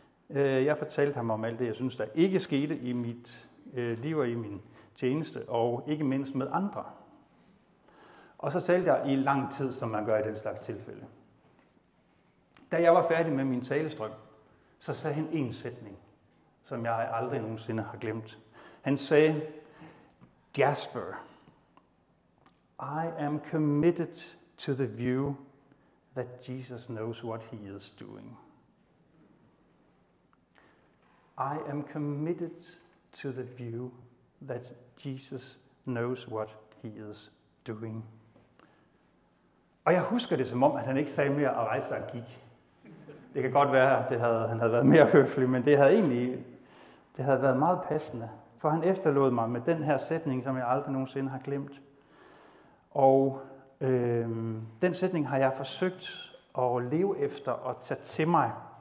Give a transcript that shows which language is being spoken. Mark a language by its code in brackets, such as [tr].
[da] Jeg fortalte ham om alt det, jeg synes, der ikke skete i mit liv og i min tjeneste, og ikke mindst med andre. Og så talte jeg i lang tid, som man gør i den slags tilfælde. Da jeg var færdig med min talestrøm, så sagde han en sætning, som jeg aldrig nogensinde har glemt. Han sagde, [en] Jasper, I am committed to the view that Jesus knows what he is doing. I am committed to the view that Jesus knows what he is doing. [da] Og jeg husker det som om, at han ikke sagde mere at rejse sig og gik. Det kan godt være, at han havde været mere høflig, men det havde været meget passende. For han efterlod mig med den her sætning, som jeg aldrig nogensinde har glemt. Og den sætning har jeg forsøgt at leve efter og tage til mig.